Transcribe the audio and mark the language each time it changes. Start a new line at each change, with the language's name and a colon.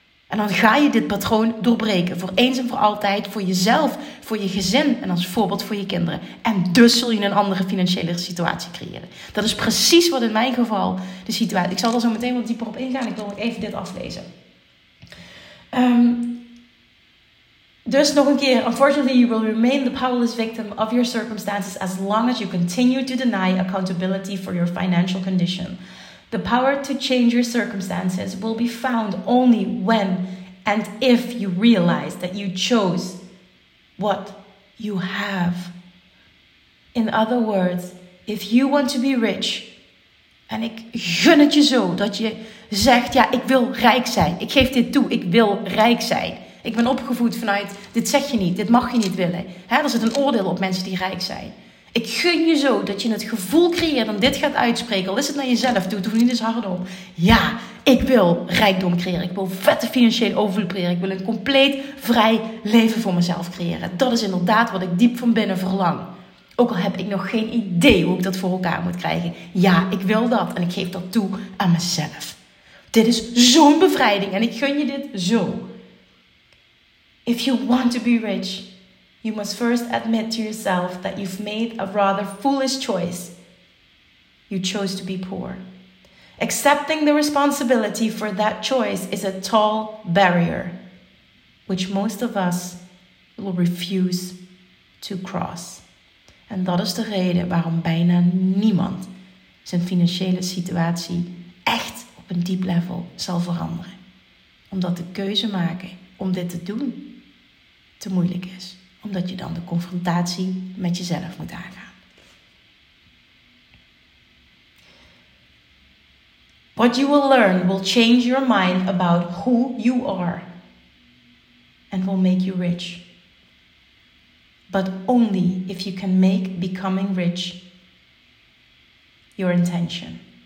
Dutch: En dan ga je dit patroon doorbreken voor eens en voor altijd, voor jezelf, voor je gezin en als voorbeeld voor je kinderen. En dus zul je een andere financiële situatie creëren. Dat is precies wat in mijn geval de situatie. Ik zal er zo meteen wat dieper op ingaan. Ik wil nog even dit aflezen. Dus nog een keer.
English: Unfortunately, you will remain the powerless victim of your circumstances as long as you continue to deny accountability for your financial condition. The power to change your circumstances will be found only when and if you realize that you chose what you have. In other words, if you want to be rich,
Dutch: en ik gun het je zo dat je zegt, ja, ik wil rijk zijn. Ik geef dit toe, ik wil rijk zijn. Ik ben opgevoed vanuit, dit zeg je niet, dit mag je niet willen. Er zit een oordeel op mensen die rijk zijn. Ik gun je zo dat je het gevoel creëert om dit gaat uitspreken. Al is het naar jezelf toe. Doe niet eens hardop. Ja, ik wil rijkdom creëren. Ik wil vette financiële overvloed creëren. Ik wil een compleet vrij leven voor mezelf creëren. Dat is inderdaad wat ik diep van binnen verlang. Ook al heb ik nog geen idee hoe ik dat voor elkaar moet krijgen. Ja, ik wil dat. En ik geef dat toe aan mezelf. Dit is zo'n bevrijding. En ik gun je dit zo.
English: If you want to be rich, you must first admit to yourself that you've made a rather foolish choice. You chose to be poor. Accepting the responsibility for that choice is a tall barrier, which most of us will refuse to cross.
Dutch: En dat is de reden waarom bijna niemand zijn financiële situatie echt op een diep level zal veranderen. Omdat de keuze maken om dit te doen te moeilijk is. Omdat je dan de confrontatie met jezelf moet aangaan.
English: What you will learn will change your mind about who you are and will make you rich. But only if you can make becoming rich your intention.